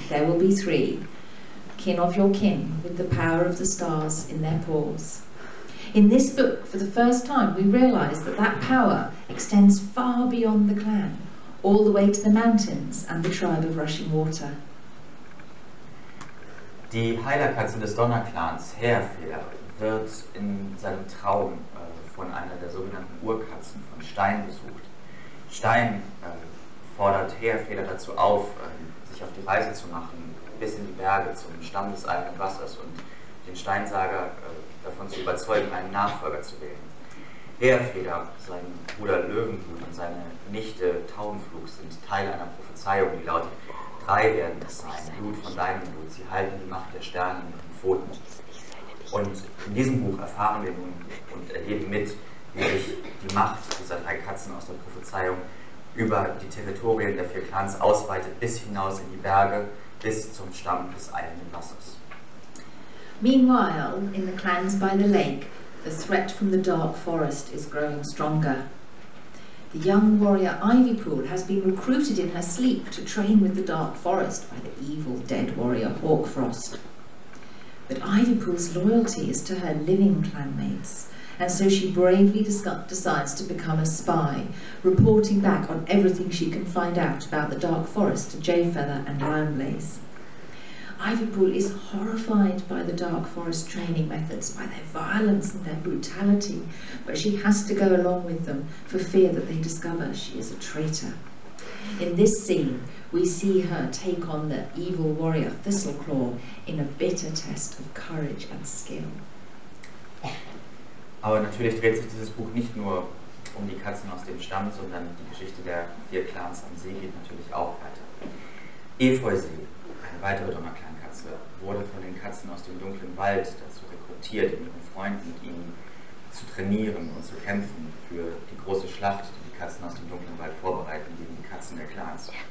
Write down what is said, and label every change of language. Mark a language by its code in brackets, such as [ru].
[en] There will be three, kin of your kin, with the power of the stars in their paws. In this book, for the first time, we realize that that power extends far beyond the clan, all the way to the mountains and the tribe of Rushing Water. [de] Die Heilerkatze des Donnerclans, Herfeder, wird in seinem Traum von einer der sogenannten Urkatzen von Stein besucht. Stein fordert Heerfeder dazu auf, sich auf die Reise zu machen, bis in die Berge zum Stamm des alten Wassers und den Steinsager davon zu überzeugen, einen Nachfolger zu wählen. Heerfeder, sein Bruder Löwenblut und seine Nichte Taubenflug sind Teil einer Prophezeiung, die lautet: Drei werden es sein, Blut von deinem Blut. Sie halten die Macht der Sterne in ihren Pfoten. Und in diesem Buch erfahren wir nun und erleben mit, wie sich die Macht dieser drei Katzen aus der Prophezeiung über die Territorien der vier Clans ausweitet bis hinaus in die Berge, bis zum Stamm des eilenden Wassers. [en] Meanwhile, in the clans by the lake, the threat from the dark forest is growing stronger. The young warrior Ivypool has been recruited in her sleep to train with the dark forest by the evil dead warrior Hawkfrost. But Ivypool's loyalty is to her living clanmates, and so she bravely decides to become a spy, reporting back on everything she can find out about the dark forest to Jayfeather and Lionblaze. Ivypool is horrified by the dark forest training methods, by their violence and their brutality, but she has to go along with them for fear that they discover she is a traitor. In this scene, we see her take on the evil warrior Thistleclaw in a bitter test of courage and skill. [de] Aber natürlich dreht sich dieses Buch nicht nur um die Katzen aus dem Stamm, sondern die Geschichte der vier Clans am See geht natürlich auch weiter. Efeusee, eine weitere Donnerklankatze, wurde von den Katzen aus dem dunklen Wald dazu rekrutiert, mit ihren Freunden mit ihnen zu trainieren und zu kämpfen für die große Schlacht, die die Katzen aus dem dunklen Wald vorbereiten gegen die Katzen der Clans.